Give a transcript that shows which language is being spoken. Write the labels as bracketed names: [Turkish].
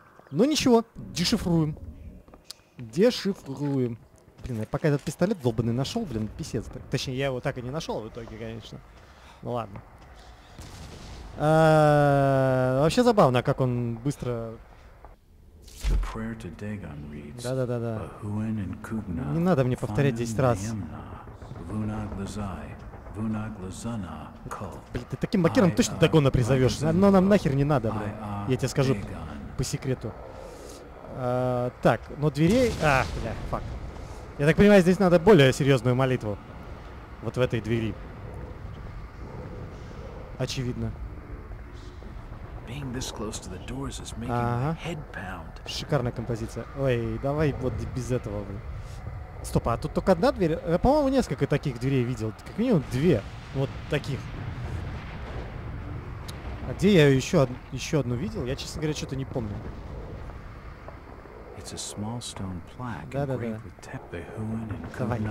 [Russian] Ну ничего, дешифруем. Дешифруем. Блин, я пока этот пистолет долбанный нашел, блин, писец. Точнее, я его так и не нашел в итоге, конечно. Ну ладно. Вообще забавно, как он быстро... [English] The prayer to Dagon reads, [Russian] да-да-да-да. Ahuin and Kugna, не надо мне повторять 10 раз. Vuna Glazai, Vuna Glazana, блин, ты таким макером точно Дагона призовешь, но нам нахер не надо, блин. Я тебе скажу по секрету. Так, но дверей... А, бля, фак. Я так понимаю, здесь надо более серьезную молитву. Вот в этой двери. Очевидно. [English] Being this close to the doors is making my head pound. [Russian] Шикарная композиция. Ой, давай вот без этого, блин. Стоп, а тут только одна дверь? Я, по-моему, несколько таких дверей видел. Как минимум две вот таких. А где я еще одну видел? Я, честно говоря, что-то не помню. [English] It's a small stone plaque engraved with Tepehuin and Kuna.